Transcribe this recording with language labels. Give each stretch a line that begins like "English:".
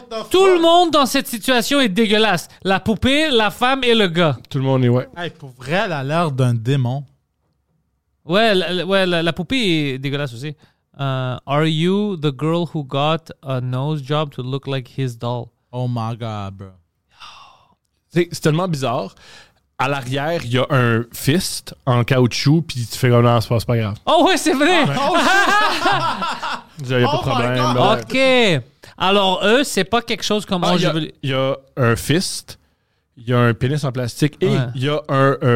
French: Tout le monde dans cette situation est dégueulasse. La poupée, la femme et le gars. Tout le monde est, ouais. Hey, pour vrai, elle a l'air d'un démon. Ouais, la poupée est dégueulasse aussi.
English: Are you the girl who got a nose job to look like his doll? Oh my God, bro.
French: C'est tellement bizarre. À l'arrière, il y a un fist en caoutchouc, puis tu fais comme non, c'est pas grave. Oh, ouais, c'est vrai! Ah, ben, il y a pas de problème. OK. Alors, eux, c'est pas quelque chose comme. Il y a un fist, il y a un pénis en plastique et il y a un.